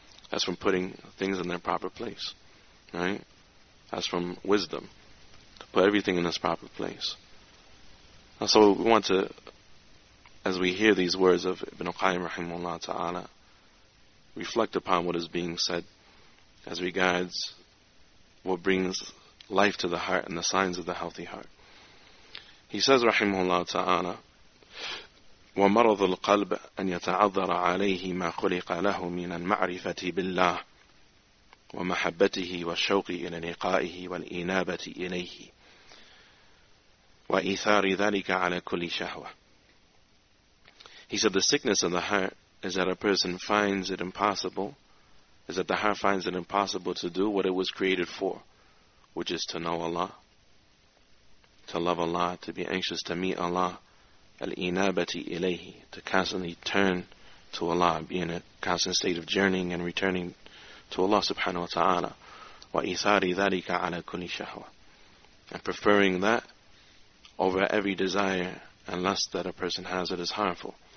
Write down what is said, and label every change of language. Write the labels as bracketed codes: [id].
[en] That's from putting things in their proper place, right? That's from wisdom, to put everything in its proper place. And so we want to, as we hear these words of Ibn Qayyim rahimahullah ta'ala, reflect upon what is being said as regards what brings life to the heart and the signs of the healthy heart. He says, [ar] rahimahullah ta'ala, ومرض القلب أن يتعذر عليه ما خلق له من المعرفة بالله ومحبته والشوق إلى لقائه والإنابة إليه وإثار ذلك على كل شهوة. [en] He said the sickness of the heart is that a person finds it impossible, is that the heart finds it impossible to do what it was created for, which is to know Allah, to love Allah, to be anxious to meet Allah, [ar] al-inabati ilayhi, [en] to constantly turn to Allah, be in a constant state of journeying and returning to Allah subhanahu wa ta'ala, [ar] wa isari dhalika ala kulli shahwa, [en] and preferring that over every desire and lust that a person has that is harmful.